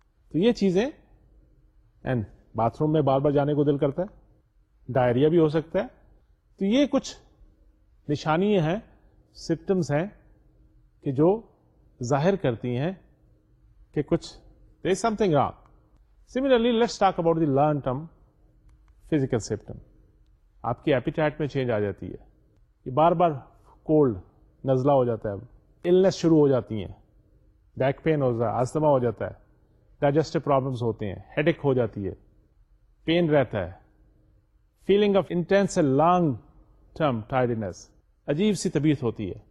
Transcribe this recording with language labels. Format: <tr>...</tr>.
<ur>تو یہ چیزیں, اینڈ باتھ روم میں بار بار جانے کو دل کرتا ہے, ڈائریا بھی ہو سکتا ہے. تو یہ کچھ نشانی ہیں, سمپٹمس ہیں کہ جو ظاہر کرتی ہیں کہ کچھ دیر</ur> <en>Something wrong. Similarly let's talk about the learn term physical symptom.</en> <ur>آپ کی ایپیٹائٹ میں چینج آ جاتی ہے, یہ بار بار کولڈ نزلہ ہو جاتا ہے, النیس شروع ہو جاتی ہیں, بیک پین ہو جاتا ہے, آستما ہو جاتا ہے, ڈائجسٹو پرابلمس ہوتے ہیں, ہیڈ ایک ہو جاتی ہے, پین رہتا ہے,</ur> <en>feeling of intense long term tiredness,</en> <ur>عجیب سی طبیعت ہوتی ہے.</ur>